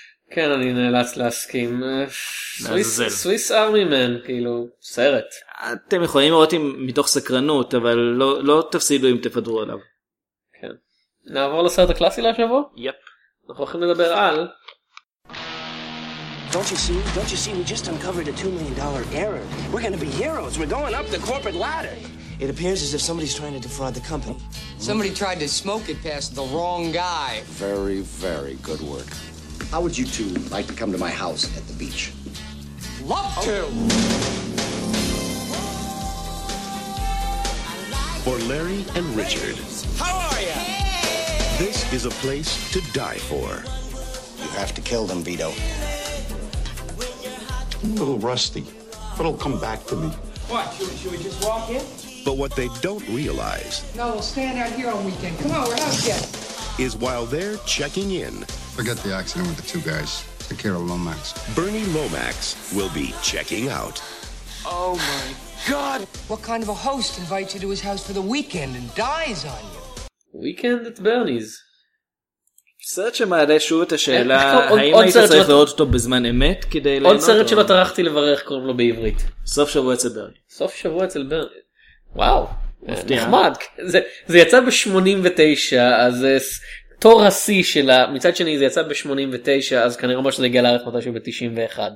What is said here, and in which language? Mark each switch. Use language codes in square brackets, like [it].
[he] כן, אני נאלץ להסכים. סוויס ארמי מן, כאילו, סרט. אתם יכולים לראות אם מתוך סקרנות, אבל לא תפסידו אם תפדרו עליו. נעבור לסרט הקלאסי להשבוע? יפ. אנחנו הולכים לדבר על... [en] Don't you see? Don't you see? We just uncovered a $2 million error. We're going to be heroes. We're going up the corporate ladder. It appears as if somebody's trying to defraud the company. Somebody tried to smoke it past the wrong guy. Very, very good work. How would you two like to come to my house at the beach? Love to! For Larry and Richard. How are you? This is a place to die for. You have to kill them, Vito. I'm a little rusty, but it'll come back to me. What, should we just walk in? But what they don't realize... No, we'll stand out here on weekend. Come on, we're out again. ...is while they're checking in... Forget the accident with the two guys. Take care of Lomax. Bernie Lomax will be checking out. Oh, my God! What kind of a host invites you to his house for the weekend and dies on you? Weekend at Bernie's. [he] סרט שמעלה שוב את השאלה, האם היית צריך לראות אותו בזמן אמת כדי ליהנות? עוד סרט שלא טרחתי לברך, קוראים לו בעברית. סוף שבוע אצל ברני. סוף שבוע אצל ברני. וואו, נחמד. זה יצא ב-89, אז תור ה-C שלה, מצד שני זה יצא ב-89, אז כנראה מה שזה הגיע לערך מתישהו ב-91.